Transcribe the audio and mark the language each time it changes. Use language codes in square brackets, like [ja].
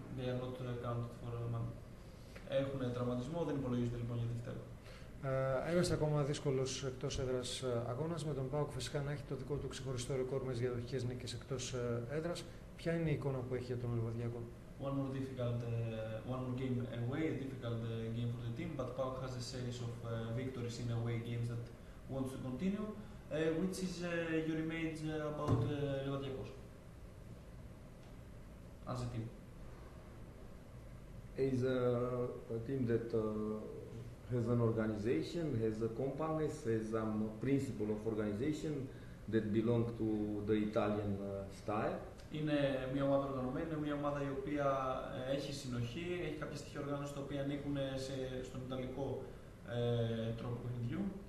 [en] They are not counted for a month. [el] Έχουν τραυματισμό, δεν υπολογίζονται λοιπόν για Δευτέρα. Έμεσα ακόμα δύσκολος εκτός έδρας αγώνας, με τον ΠΑΟΚ φυσικά να έχει το δικό του ξεχωριστό ρεκόρ με διαδοχικές νίκες εκτός έδρας. Ποια είναι η εικόνα που έχει για τον Λεβαδιακό? [en] One more difficult one more game away, a difficult game for the team, but ΠΑΟΚ has a series of victories in away games that wants to continue. Which is your image about Λεβαδιακός as a team? It's a team that has an organization, has a compactness, has a principle of organization that belong to the Italian style. [el] Είναι μια ομάδα οργανωμένη, είναι μια ομάδα η οποία έχει συνοχή, έχει κάποια στοιχεία οργάνωση τα οποία ανήκουν στον ιταλικό τρόπο παιχνιδιού.